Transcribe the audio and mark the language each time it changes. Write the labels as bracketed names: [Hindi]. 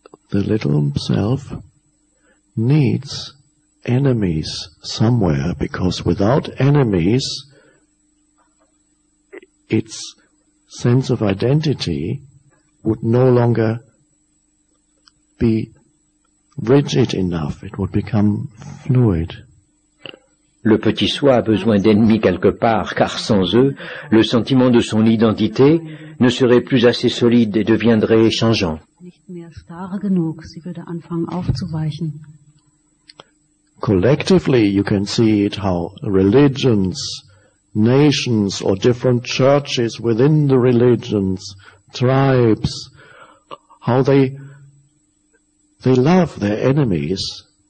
[English] The little self needs enemies somewhere, because without enemies it's sense of identity would no longer be rigid enough, it would become fluid. [French] Le petit soi a besoin d'ennemis quelque part, car sans eux, le sentiment de son identité ne serait plus assez solide et deviendrait changeant. [German] Nicht mehr starr genug, sie würde anfangen aufzuweichen. [English] Collectively, you can see it how religions, nations or different churches within the religions, tribes, how they love their enemies.